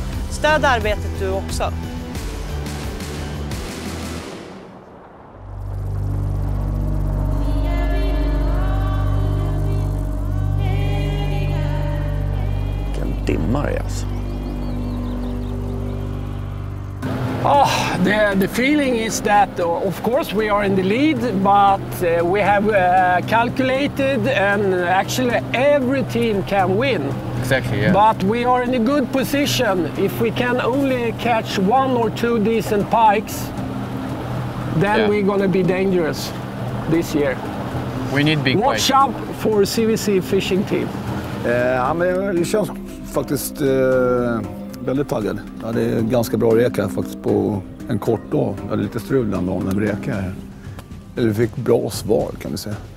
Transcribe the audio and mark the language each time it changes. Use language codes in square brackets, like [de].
[sv] Stöd arbetet du också. Vilken dimma det är alltså. [en] Oh, the feeling is that of course we are in the lead, but we have calculated and actually every team can win. Exactly, yeah. But we are in a good position. If we can only catch one or two decent pikes, then yeah, we're gonna be dangerous this year. We need big pikes. Watch out for CVC fishing team. [sv] Det känns faktiskt väldigt taggad. Jag hade ganska bra reka faktiskt på en kort dag. Jag hade lite strul den dagen med reka här. Eller fick bra svar kan vi säga.